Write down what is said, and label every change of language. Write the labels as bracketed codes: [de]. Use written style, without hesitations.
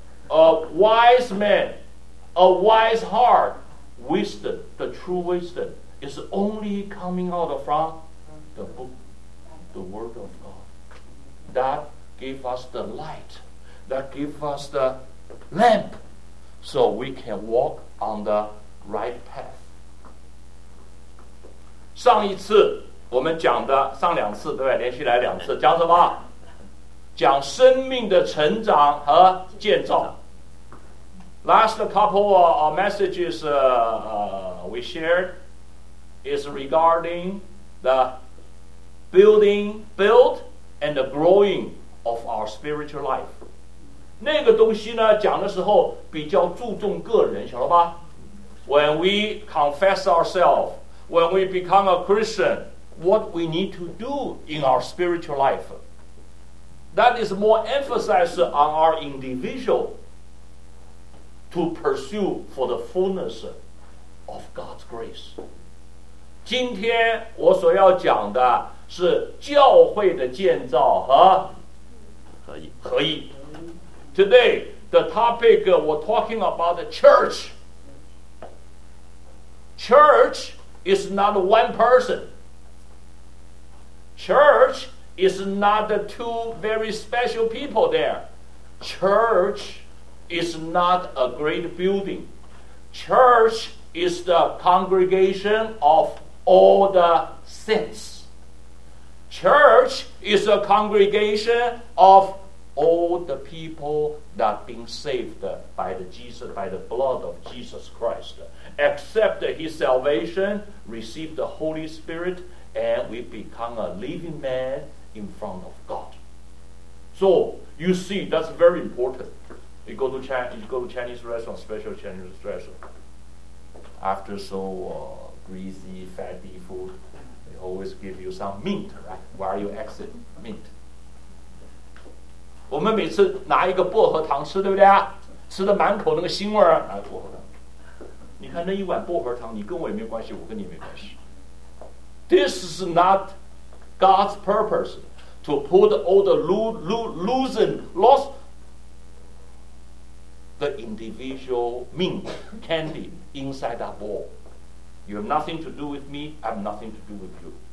[en] A wise man, a wise heart, wisdom, the true wisdom, is only coming out from the book, the word of God. That gave us the light. That gave us the lamp. So we can walk on the right path. [zh] 上一次我们讲的上两次对吧？连续来两次讲什么？讲生命的成长和建造。 [en] Last couple of messages we shared is regarding the build and the growing of our spiritual life. [zh] 那个东西呢，讲的时候比较注重个人，晓得吧 ？ [en] When we confess ourselves, when we become a Christian. What we need to do in our spiritual life. That is more emphasized on our individual to pursue for the fullness of God's grace. [zh] 今天我所要讲的是教会的建造和合一。 [en] Today, the topic we're talking about the church. Church is not one person. Church is not the two very special people there. Church is not a great building. Church is the congregation of all the saints. Church is a congregation of all the people that have been saved by the blood of Jesus Christ. Accept his salvation, receive the Holy Spirit,And we become a living man in front of God. So, you see, that's very important. You go to Chinese restaurant, special Chinese restaurant. After so greasy, fatty food, they always give you some mint, right? While you exit, mint. [zh] 我们每次拿一个薄荷糖吃，对不对？吃的满口那个腥味儿，拿薄荷糖。你看那一碗薄荷糖，你跟我也没关系，我跟你也没关系。 [en] This is not God's purpose to put all the losing the individual mint candy inside that bowl. You have nothing to do with me, I have nothing to do with you.